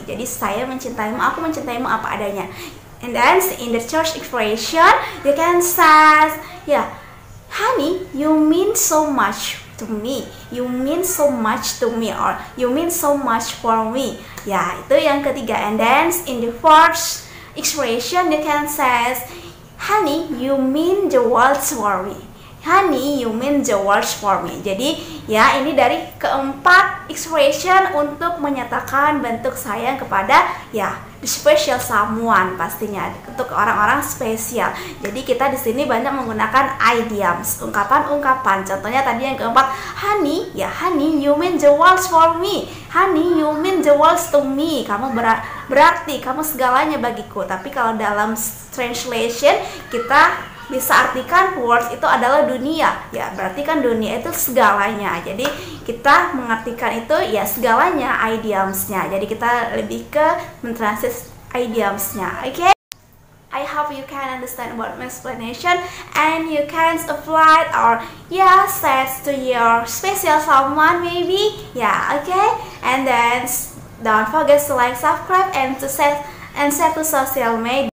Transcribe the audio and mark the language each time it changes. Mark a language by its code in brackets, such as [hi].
[id] Jadi saya mencintaimu, aku mencintaimu apa adanya. [en] And then in the church expression, you can say, yeah, honey, you mean so much to me. You mean so much to me or you mean so much for me. [id] Ya, itu yang ketiga. [en] And then in the fourth expression, you can say, honey, you mean the world for me. Honey, you mean the world for me. [id] Jadi, ya ini dari keempat expression untuk menyatakan bentuk sayang kepada ya [en] the special someone [id] pastinya untuk orang-orang spesial. Jadi kita di sini banyak menggunakan idioms, ungkapan-ungkapan. Contohnya tadi yang keempat, [en] honey, ya honey, you mean the world for me. Honey, you mean the world to me. [id] Kamu berarti kamu segalanya bagiku. Tapi kalau dalam translation kita bisa artikan world itu adalah dunia. Ya, berarti kan dunia itu segalanya. Jadi, kita mengartikan itu ya segalanya, idioms-nya. Jadi, kita lebih ke mentranslate idioms-nya. Oke? [en] Okay? I hope you can understand about my explanation and you can apply it or yeah, say it to your special someone maybe. Yeah, oke? Okay? And then don't forget to like, subscribe and to share and share to social media.